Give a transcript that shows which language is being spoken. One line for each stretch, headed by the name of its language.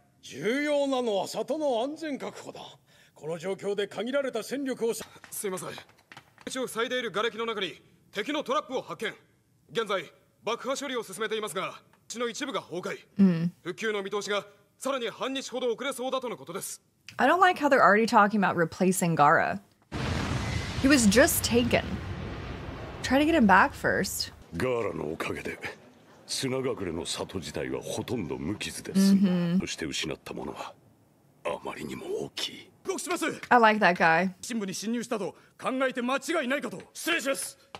Japanese: 重要なのは里の安全確保だ。この状況で限られた戦力をさ。すいません。一応塞いでいる瓦礫の中に敵のトラップを発見。現在爆破処理を進めていますが、地の一部が崩壊。復旧の見通しがさらに半日ほど遅れそうだとのことです。
English: I don't like how they're already talking about replacing Gaara. He was just taken. Try to get him back first.
Japanese: Gaara のおかげで、砂隠れの里自体はほとんど無傷です。そして失ったものはあまりにも大きい。動きします。
English: I like that guy.
Japanese: 深部に侵入したと考えて間違いないかと。失礼します。